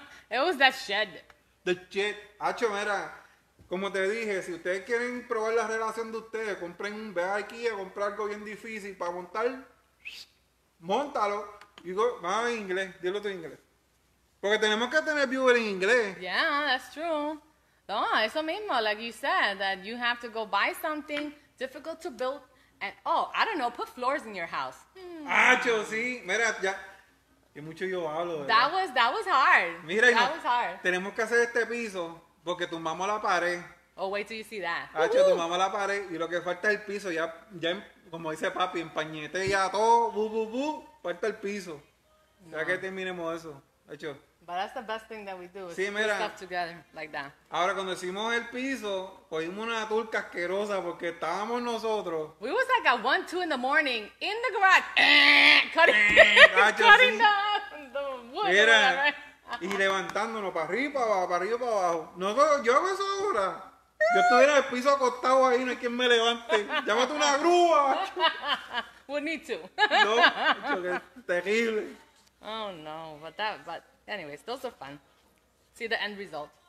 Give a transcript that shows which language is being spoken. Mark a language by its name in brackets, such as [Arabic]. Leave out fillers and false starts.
[English] It was that shed. The shed. [Spanish] Hacho, mira... Como te dije, si ustedes quieren probar la relación de ustedes, compren un ve aquí a comprar algo bien difícil para montar. Móntalo. Y go, vamos en inglés, dilo tú en inglés. Porque tenemos que tener viewer en inglés. [English] Yeah, that's true. [Spanish] No, eso mismo, [English] like you said, that you have to go buy something difficult to build and oh, I don't know, put floors in your house. [Spanish] Hmm. Acho, sí, mira, ya. Que mucho yo hablo. ¿Verdad? [English] That was hard. [Spanish] Mira, [English] that was hard. [Spanish] Tenemos que hacer este piso. Porque tumbamos la pared. [English] Oh, wait till you see that. [Spanish] Hacho, tumbamos la pared y lo que falta es el piso. Ya como dice papi, empañete ya todo. Bu, falta el piso. No. Ya que terminemos eso, Hacho. [English] But that's the best thing that we do. [Spanish] Sí, mira. [English] Stuff together like that. [Spanish] Ahora, cuando hicimos el piso, cogimos una turca asquerosa porque estábamos nosotros. [English] We was like at 1, 2 in the morning in the garage. cutting [Spanish] sí. [English] the wood. [Spanish] Mira. Y levantándonos para arriba, para abajo, para arriba, para abajo. No, yo hago eso ahora. Yo estuviera en el piso acostado ahí, no hay quien me levante. Llámate una grúa. [English] We need to. [Spanish] No, que es terrible. [English] Oh, no. But anyways, those are fun. See the end result.